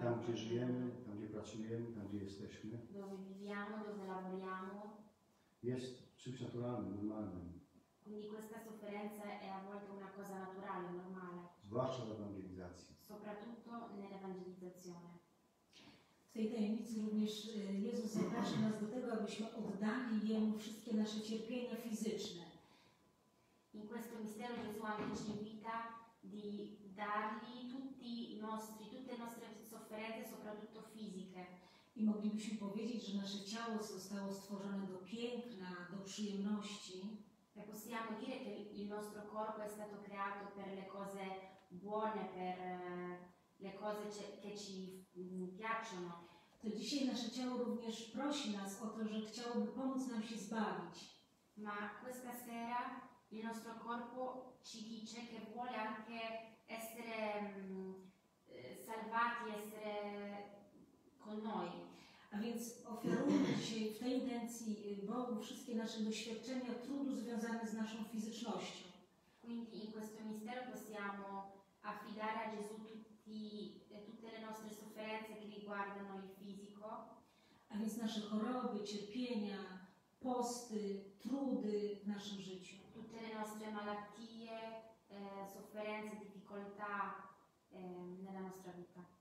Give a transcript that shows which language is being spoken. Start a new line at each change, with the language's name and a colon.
Polish: Tam gdzie żyjemy, tam gdzie pracujemy, tam gdzie jesteśmy.
Italian: Dove viviamo, dove lavoriamo.
Polish: Jest czymś naturalnym, normalnym.
Italian: Quindi questa sofferenza è a volte una cosa naturale, normale.
Polish: Zwłaszcza w ewangelizacji.
Italian: Soprattutto nell'evangelizzazione.
Polish: W tej tajemnicy również Jezus zaprasza nas do tego, abyśmy oddali Jemu wszystkie nasze cierpienia fizyczne.
Italian: In questo mistero Gesù anche ci invita di dargli tutte le nostre sofferenze, soprattutto fisiche.
Polish: I moglibyśmy powiedzieć, że nasze ciało zostało stworzone do piękna, do przyjemności.
Italian: E possiamo dire che il nostro corpo è stato creato per le cose buone, per le cose che ci piacciono.
Polish: To dzisiaj nasze ciało również prosi nas o to, że chciałoby pomóc nam się zbawić.
Italian: Ma questa sera il nostro corpo ci dice che vuole anche essere salvati, essere con noi.
Polish: A więc ofiarujmy dzisiaj w tej intencji Bogu wszystkie nasze doświadczenia trudu związane z naszą fizycznością.
Italian: Quindi in questo mistero possiamo affidare a Gesù tutte le nostre sofferenze che riguardano il fisico.
Polish: A więc nasze choroby, cierpienia, posty, trudy w naszym życiu.
Italian: Tutte le nostre malattie, sofferenze, difficoltà nella nostra vita.